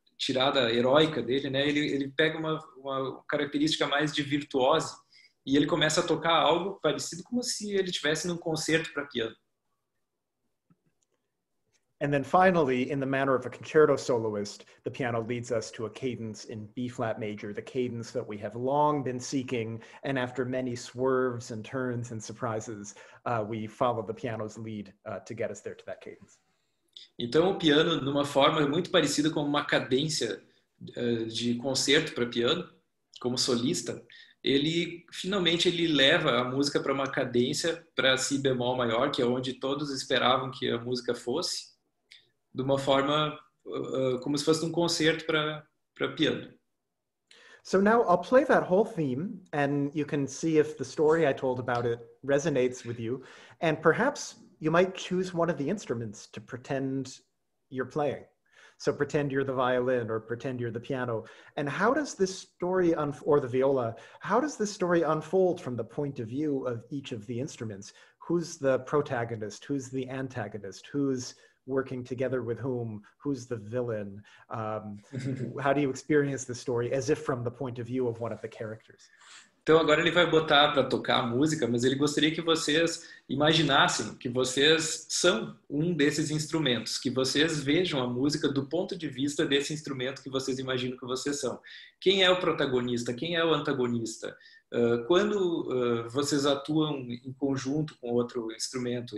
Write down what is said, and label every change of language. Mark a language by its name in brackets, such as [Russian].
[Portuguese] tirada heróica dele, né? Ele pega uma característica mais de virtuose e ele começa a tocar algo parecido como se ele estivesse num concerto para piano. [English] And then finally, in the manner of a concerto soloist, the piano leads us to a cadence in B flat major, the cadence that we have long been seeking, and after many swerves and turns and surprises, we follow the piano's lead to get us there to that cadence. [Portuguese] Então, o piano, numa forma muito parecida com uma cadência de concerto para piano, como solista, ele finalmente leva a música para uma cadência para si bemol maior, que é onde todos esperavam que a música fosse, de uma forma como se fosse um concerto para piano. [English] So now I'll play that whole theme and you can see if the story I told about it resonates with you and perhaps... You might choose one of the instruments to pretend you're playing. So pretend you're the violin or pretend you're the piano. And how does this story, or the viola, how does this story unfold from the point of view of each of the instruments? Who's the protagonist? Who's the antagonist? Who's working together with whom? Who's the villain? How do you experience the story as if from the point of view of one of the characters? [Portuguese] Então agora ele vai botar para tocar a música, mas ele gostaria que vocês imaginassem que vocês são um desses instrumentos, que vocês vejam a música do ponto de vista desse instrumento que vocês imaginam que vocês são. Quem é o protagonista? Quem é o antagonista? Quando vocês atuam em conjunto com outro instrumento?